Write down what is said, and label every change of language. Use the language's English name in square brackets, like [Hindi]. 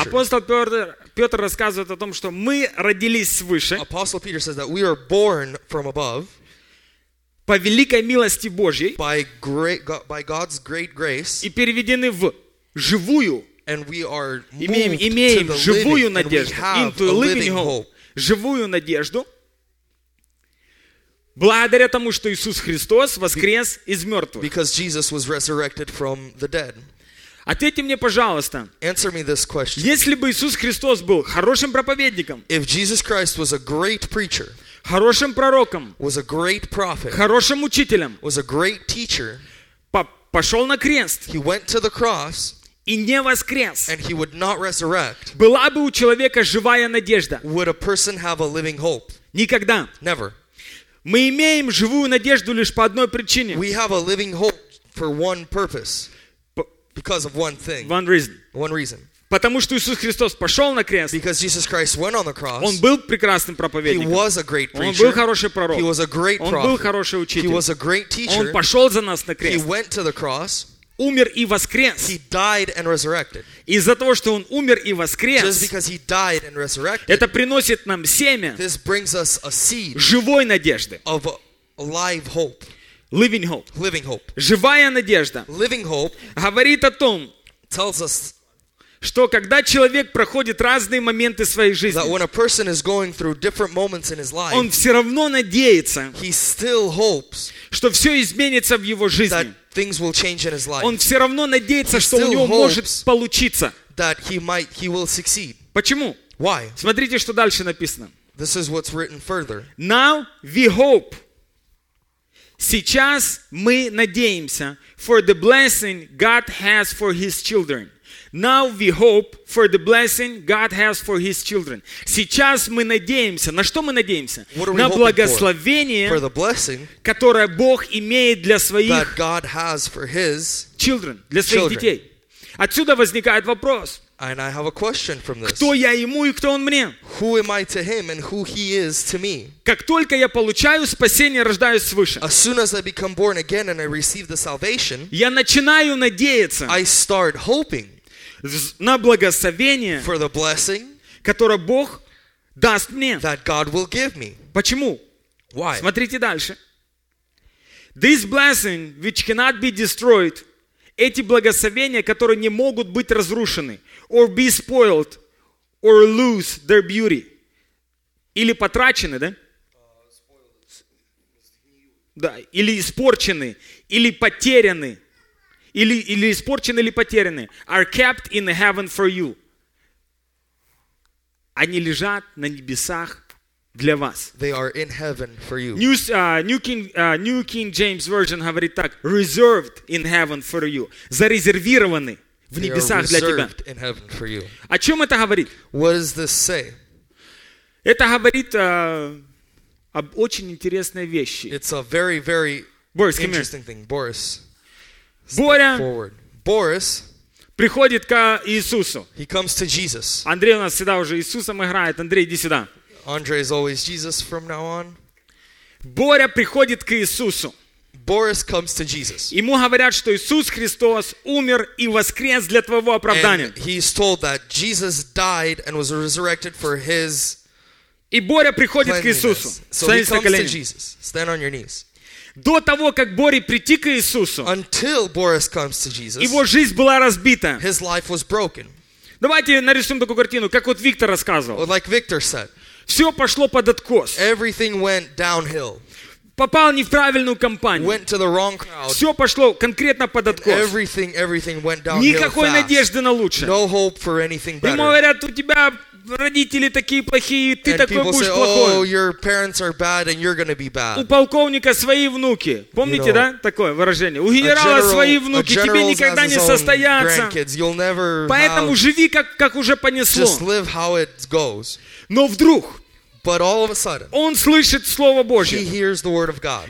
[Russian] Апостол Петр рассказывает о том, что мы родились свыше. [English] Apostle Peter says that we are born from above. [Russian] По великой милости Божьей. [English] By God's great grace. [Russian] И переведены в живую. [English] And we are moved [Russian] имеем [English] to the [Russian] живую [English] living, [Russian] надежду. [English] And we have into a living hope. [Russian] Живую надежду. Благодаря тому, что Иисус Христос воскрес из мертвых. [English] Because Jesus was resurrected from the dead. [Russian] Ответьте мне, пожалуйста. [English] Answer me this question. [Russian] Если бы Иисус Христос был хорошим проповедником, [English] if Jesus Christ was a great preacher, [Russian] хорошим пророком, [English] was a great prophet, [Russian] хорошим учителем, [English] was a great teacher, [Russian] пошел на крест, [English] he went to the cross, [Russian] и не воскрес, [English] and he would not resurrect, [Russian] была бы у человека живая надежда, [English] would a person have a living hope? [Russian] Никогда. [English] Never. [Russian] Мы имеем живую надежду лишь по одной причине. [English] We have a living hope for one purpose. Because of one thing. One reason. One reason. [Russian] Потому что Иисус Христос пошел на крест. [English] Because Jesus Christ went on the cross. [Russian] Он был прекрасным проповедником. [English] He was a great preacher. [Russian] Он был хороший пророк. [English] He was a great prophet. [Russian] Он был хороший учитель. [English] He was a great teacher. [Russian] Он пошел за нас на крест. [English] He went to the cross. [Russian] Умер и воскрес. [English] He died and resurrected. [Russian] Из-за того, что Он умер и воскрес, [English] just because He died and resurrected, [Russian] это приносит нам семя, [English] this brings us a seed, [Russian] живой надежды, [English] of live hope. Living hope. Living hope. [Russian] Живая надежда. [English] Living hope. [Russian] Говорит о том, [English] tells us, [Russian] что когда человек проходит разные моменты своей жизни, [English] that when a person is going through different moments in his life, [Russian] он все равно надеется, [English] he still hopes, [Russian] что все изменится в его жизни. [English] That things will change in his life. [Russian] Он все равно надеется, [English] he [Russian] что у него может получиться. [English] That he will succeed. [Russian] Почему? [English] Why? [Russian] Смотрите, что дальше написано. [English] This is what's written further. Now we hope. [Russian] Сейчас мы надеемся [English] for the blessing God has for His children. Now we hope for the blessing God has for His children. [Russian] Сейчас мы надеемся. На что мы надеемся? На благословение, [English] for the blessing, [Russian] которое Бог имеет для своих [English] that God has for His children, [Russian] для своих [English] children. [Russian] Детей. Отсюда возникает вопрос. [English] And I have a question from this. [Russian] Кто я ему и кто он мне? [English] Who am I to him and who he is to me? [Russian] Как только я получаю спасение, рождаюсь свыше. [English] As soon as I become born again and I receive the salvation, [Russian] я начинаю надеяться. [English] I start hoping. [Russian] На благословение, [English] for the blessing, [Russian] которое Бог даст мне. [English] That God will give me. [Russian] Почему? [English] Why? [Russian] Смотрите дальше. [English] This blessing which cannot be destroyed. [Russian] Эти благословения, которые не могут быть разрушены, [English] or be spoiled, or lose their beauty, [Russian] или потрачены, да? Да, или испорчены, или потеряны, или испорчены, или потеряны, [English] are kept in heaven for you. [Russian] Они лежат на небесах для вас. [English] They are in heaven for you. New King James Version [Russian] говорит так: [English] reserved in heaven for you. [Russian] Зарезервированы. в небесах для тебя. [English] In heaven for you. [Russian] О чем это говорит? [English] What does this say? [Russian] Это говорит об очень интересной вещи. [English] It's a very, very Boris, interesting thing. Boris, [Russian] Боря [English] forward. Boris [Russian] приходит к Иисусу. [English] He comes to Jesus. [Russian] Андрей у нас всегда уже Иисусом играет. Андрей, иди сюда. [English] Andre is always Jesus from now on. [Russian] Боря приходит к Иисусу. [English] Boris comes to Jesus. [Russian] Ему говорят, что Иисус Христос умер и воскрес для твоего оправдания. [English] And he is told that Jesus died and was resurrected for his [Russian] И Боря приходит к Иисусу. [English] So he comes to Jesus. Stand on your knees. [Russian] До того, как Боре прийти к Иисусу, [English] Until Boris comes to Jesus, [Russian] его жизнь была разбита. [English] His life was broken. [Russian] Давайте нарисуем такую картину, как вот Виктор рассказывал. [English] Well, like Victor said, [Russian] все пошло под откос. [English] Everything went downhill. [Russian] Попал не в правильную компанию. [English] Went to the wrong crowd. [Russian] Все пошло конкретно под откос. [English] Everything went downhill. [Russian] Никакой [English] fast. [Russian] Надежды на лучшее. [English] No hope for anything better. [Russian] Ему говорят, у тебя родители такие плохие, ты [English] and [Russian] такой будешь [English] say, [Russian] плохой. [English] Oh, your parents are bad and you're gonna be bad. [Russian] У полковника свои внуки. Помните, [English] you know, [Russian] да, такое выражение? У генерала [English] general, [Russian] свои внуки. Тебе никогда не состояться. Поэтому живи, как уже понесло. [English] Just live how it goes. [Russian] Но вдруг [English] But all of a sudden, [Russian] он слышит Слово Божье. [English] He hears the word of God.